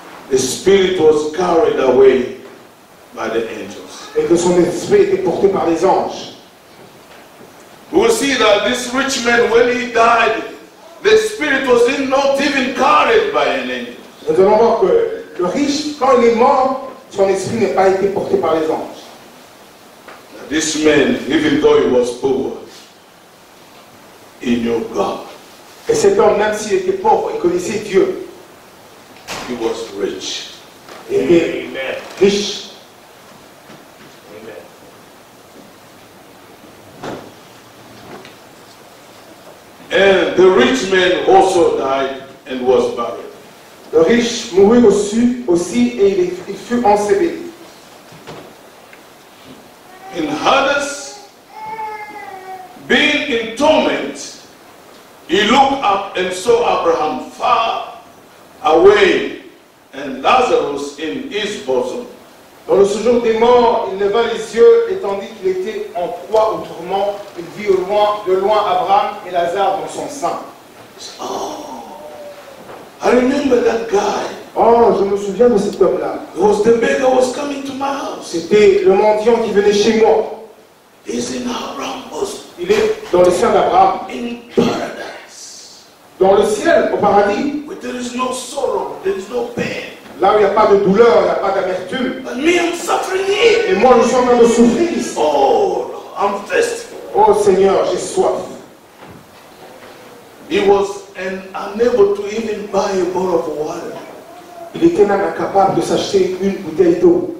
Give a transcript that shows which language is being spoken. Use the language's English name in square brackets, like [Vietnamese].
[English] the spirit was carried away by the angels. [French] Et que son esprit était porté par les anges. [English] We will see that this rich man, when he died, the spirit was not even carried by an angel. [French] Nous allons voir que le riche, quand il est mort, son esprit n'a pas été porté par les anges. [English] Now this man, even though he was poor, he knew God. [French] Et cet homme, même s'il était pauvre, il connaissait Dieu. [English] He was rich. Amen. Rich. Amen. And the rich man also died and was buried. [French] Le riche mourut aussi et il fut enseveli. [English] In Hades, being in torment, he looked up and saw Abraham far away. And Lazarus in his bosom. [French] Dans le séjour des morts, il leva les yeux et tandis qu'il était en proie au tourment, il vit au loin, de loin Abraham et Lazare dans son sein. [English] Oh, I remember that guy. [French] Oh, je me souviens de cet homme-là. [English] It was the beggar was coming to my house. [French] C'était le mendiant qui venait chez moi. [English] He's in Abraham's bosom. [French] Il est dans le sein d'Abraham. [English] In paradise. [French] Dans le ciel, au paradis. [English] There is no sorrow, there is no pain. [French] Là où il n'y a pas de douleur, il n'y a pas d'amertume. [English] And me, I'm suffering here. [French] Et moi, je suis en train de souffrir ici. [English] Oh, I'm thirsty. [French] Oh Seigneur, j'ai soif. [English] He was unable to even buy a bottle of water. [French] Il était même incapable de s'acheter une bouteille d'eau.